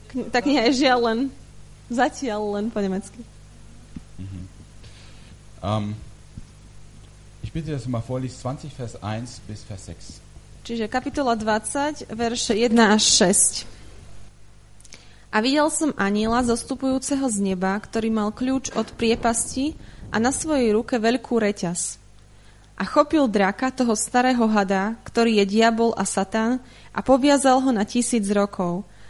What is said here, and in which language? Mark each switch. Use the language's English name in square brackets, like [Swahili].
[Slovak] Tá kniha je žiaľ len, zatiaľ len po nemecky. [German] Ich bitte, dass du mal vorliest 20 Vers 1 bis Vers 6. [Slovak] Čiže kapitola 20, verše 1 až 6. A videl som anjela zostupujúceho z neba, ktorý mal kľúč od priepasti a na svojej ruke veľkú reťaz. A chopil draka, toho starého hada, ktorý je diabol a satán, a poviazal ho na 1000 rokov.